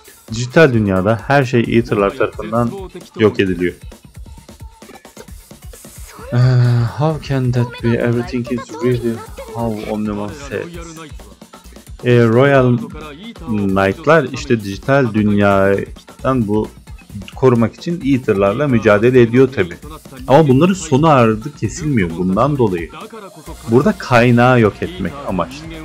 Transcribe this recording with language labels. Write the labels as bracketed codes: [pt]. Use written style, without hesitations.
[tr] Dijital dünyada her şey Eater'lar tarafından yok ediliyor. [en] How can that be? Everything is really how Omnimon says. [tr] Royal Knight'lar işte dijital dünyadan bu korumak için Eater'larla mücadele ediyor tabi. Ama bunların sonu ardı kesilmiyor bundan dolayı. Burada kaynağı yok etmek amaçlı.